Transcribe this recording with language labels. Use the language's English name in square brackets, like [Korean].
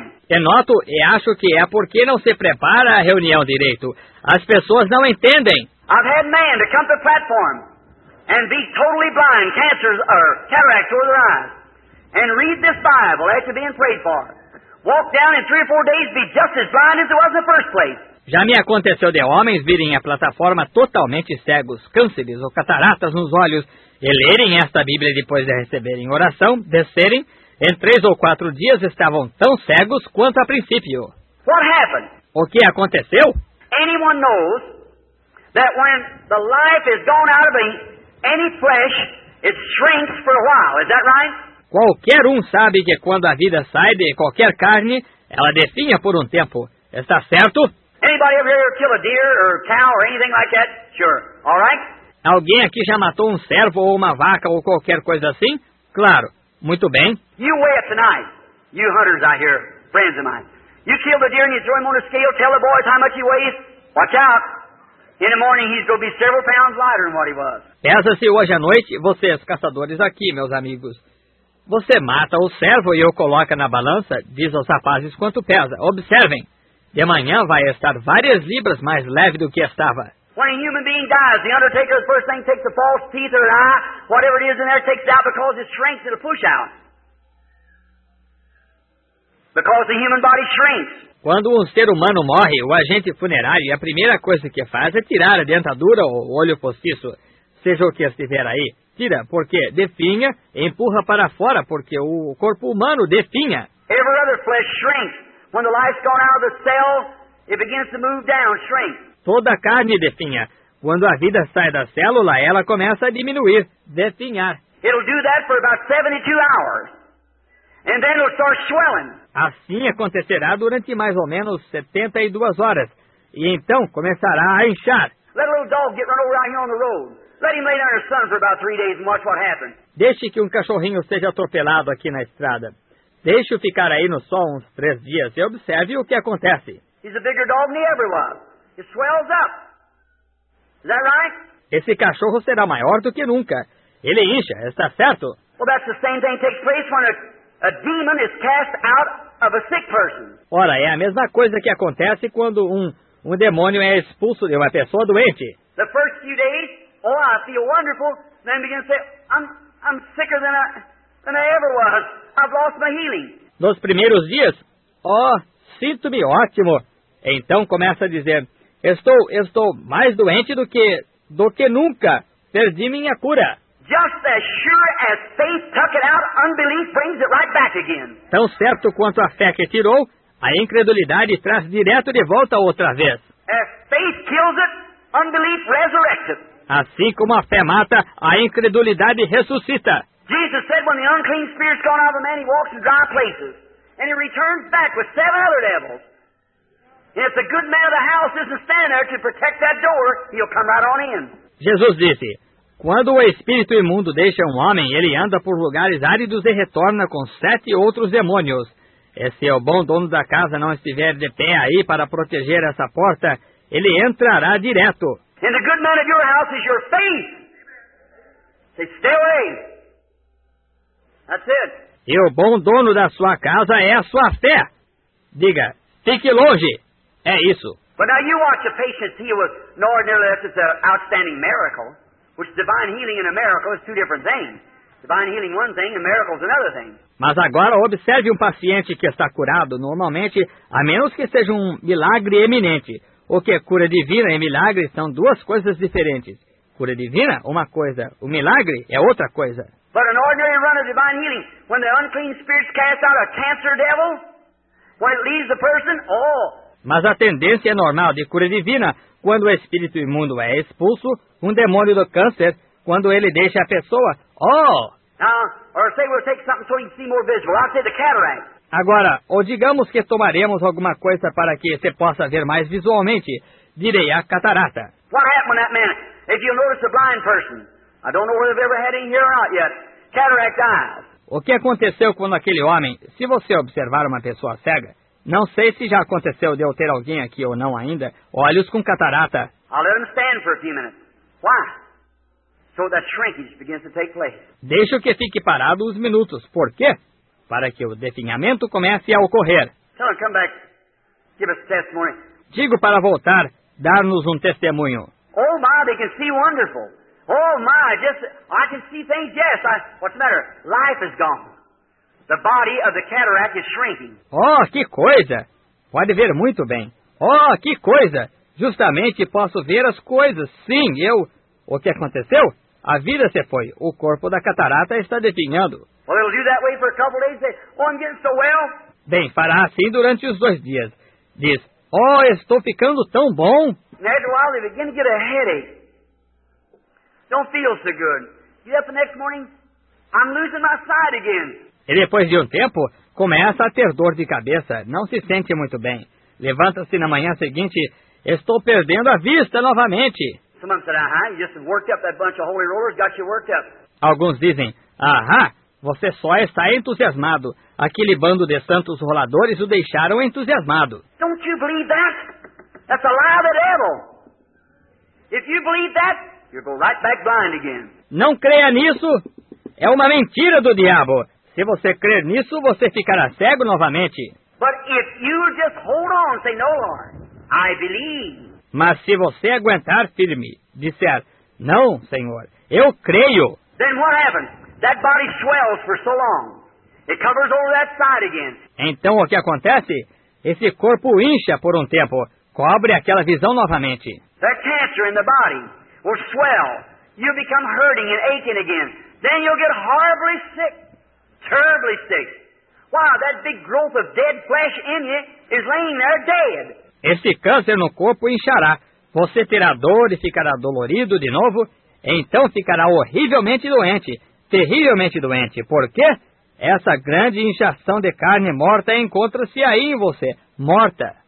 [Portuguese] E noto e acho que é porque não se prepara a reunião direito. As pessoas não entendem. [English] I've had man to come to the platform and be totally blind, cancers or cataracts or their eyes. And read this Bible after being prayed for. Walk down in three or four days, be just as blind as it was in the first place. [Portuguese] Já me aconteceu de homens virem a plataforma totalmente cegos, cânceres ou cataratas nos olhos, e lerem esta Bíblia depois de receberem oração, descerem, em três ou quatro dias estavam tão cegos quanto a princípio. [English] What happened? [Portuguese] O que aconteceu? [English] Anyone knows that when the life is gone out of any flesh, it shrinks for a while. Is that right? [Portuguese] Qualquer um sabe que quando a vida sai de qualquer carne, ela definha por um tempo. Está certo? [English] Anybody ever kill a deer or cow or anything like that? Sure. All right? [Portuguese] Alguém aqui já matou um cervo ou uma vaca ou qualquer coisa assim? Claro. Muito bem. [English] You weigh it tonight. You hunters out here, friends of mine. You kill the deer and you throw him on a scale, tell the boys how much he weighs. Watch out. In the morning he's going to be several pounds lighter than what he was. [Portuguese] Pesa-se hoje à noite, vocês caçadores aqui, meus amigos. Você mata o servo e o coloca na balança, diz aos rapazes quanto pesa. Observem, de manhã vai estar várias libras mais leve do que estava. [English] When a human being dies, the undertaker the first thing takes the false teeth or an eye, whatever it is in there, takes it out because it shrinks, it'll push out. Because the human body shrinks. [Portuguese] Quando ser humano morre, o agente funerário, a primeira coisa que faz é tirar a dentadura ou o olho postiço, seja o que estiver aí. Tira, porque definha, empurra para fora, porque o corpo humano definha. [English] Every other flesh shrinks. When the life's gone out of the cell, it begins to move down, shrink. [Portuguese] Toda carne definha. Quando a vida sai da célula, ela começa a diminuir, definhar. [English] It'll do that for about 72 hours. And then it'll start swelling. [Portuguese] Assim acontecerá durante mais ou menos 72 horas. E então começará a inchar. [English] Let a little dog get run over out here on the road. Let him lay down his son for about 3 days and watch what happens. [Portuguese] Deixe que cachorrinho seja atropelado aqui na estrada. Deixe-o ficar aí no sol uns 3 dias e observe o que acontece. [English] He's a bigger dog than he ever was. It swells up. Is that right? [Portuguese] Esse cachorro será maior do que nunca. Ele incha, está certo? [English] Well, that's the same thing takes place when a demon is cast out of a sick person. [Portuguese] Ora, é a mesma coisa que acontece quando um demônio é expulso de uma pessoa doente. [English] The first few days, oh, I feel wonderful. Then begin to say, I'm sicker than I ever was. I've lost my healing. [Portuguese] Nos primeiros dias, oh, sinto-me ótimo. Então começa a dizer, estou mais doente do que nunca. Perdi minha cura. [English] Just as sure as faith took it out, unbelief brings it right back again. [Portuguese] Tão certo quanto a fé que tirou, a incredulidade traz direto de volta outra vez. [English] As faith kills it, unbelief resurrects it. [Portuguese] Assim como a fé mata, a incredulidade ressuscita. [English] Jesus said when the unclean spirit's gone out of a man, he walks in dry places. And he returns back with 7 other devils. And if the good man of the house isn't standing there to protect that door, he'll come right on in. [Portuguese] Jesus disse, quando o espírito imundo deixa homem, ele anda por lugares áridos e retorna com 7 outros demônios. E se o bom dono da casa não estiver de pé aí para proteger essa porta, ele entrará direto. [English] And the good man of your house is your faith. Say, stay away. That's it. [Portuguese] E o bom dono da sua casa é a sua fé. Diga, fique longe. É isso. [English] But now you watch a patient heal with no ordinary less. It's an outstanding miracle. Which divine healing and a miracle is 2 different things. Divine healing one thing, a miracle is another thing. [Portuguese] Mas agora observe paciente que está curado normalmente, a menos que seja milagre eminente. O que é cura divina e milagre são 2 coisas diferentes. Cura divina, uma coisa. O milagre é outra coisa. [English] But an ordinary run of divine healing, when the unclean spirits cast out a cancer devil, when it leaves the person, oh. [Portuguese] Mas a tendência normal de cura divina, quando o espírito imundo é expulso, demônio do câncer, quando ele deixa a pessoa, oh. [English] Or say we'll take something so you can see more visible. I'll say the cataract. [Portuguese] Agora, ou digamos que tomaremos alguma coisa para que você possa ver mais visualmente, direi a catarata. [English] What happened to that man? If you notice a blind person, I don't know whether they've ever had any here or not yet. Cataract eyes. [Portuguese] O que aconteceu quando aquele homem, se você observar uma pessoa cega, não sei se já aconteceu de eu ter alguém aqui ou não ainda, olhos com catarata. [English] I'll let him stand for a few minutes. Why? So that shrinkage begins to take place. [Portuguese] Deixa que fique parado 1 minuto. Por quê? Para que o definhamento comece a ocorrer. [English] Tell him, come back. Give us testimony. [Portuguese] Digo para voltar, dar-nos testemunho. [English] Oh my, they can see wonderful. Oh my, just, I can see things, yes. What's the matter? Life is gone. The body of the cataract is shrinking. [Portuguese] Oh, que coisa. Pode ver muito bem. Oh, que coisa. Justamente posso ver as coisas. Sim, eu... O que aconteceu? A vida se foi. O corpo da catarata está definhando. [English] Well, it'll do that way for a couple days. Say, oh, I'm getting so well. [Portuguese] Bem, fará assim durante 2 dias. Diz, oh, estou ficando tão bom. [English] After a while, they begin to get a headache. Don't feel so good. Get up the next morning, I'm losing my sight again. [Portuguese] E depois de tempo, começa a ter dor de cabeça. Não se sente muito bem. Levanta-se na manhã seguinte, estou perdendo a vista novamente. [English] Someone said, aha, you just worked up that bunch of holy rollers, got you worked up. [Portuguese] Alguns dizem, aha. Você só está entusiasmado. Aquele bando de santos roladores o deixaram entusiasmado. [English] Don't you believe that? That's a lie of the devil. If you believe that, you'll go right back blind again. [Portuguese] Não creia nisso. É uma mentira do diabo. Se você crer nisso, você ficará cego novamente. [English] But if you just hold on, say no, Lord, I believe. [Portuguese] Mas se você aguentar firme, disser, não, Senhor, eu creio. [English] Then what happens? That body swells for so long. It covers over that side again. [Portuguese] Então o que acontece? Esse corpo incha por um tempo, cobre aquela visão novamente. [English] That cancer in the body will swell. You become hurting and aching again. Then you'll get horribly sick, terribly sick. Wow, that big growth of dead flesh in you is laying there dead. [Portuguese] Esse câncer no corpo inchará. Você terá dor e ficará dolorido de novo. Então ficará horrivelmente doente, terrivelmente doente. Por quê? Essa grande inchação de carne morta encontra-se aí em você, morta.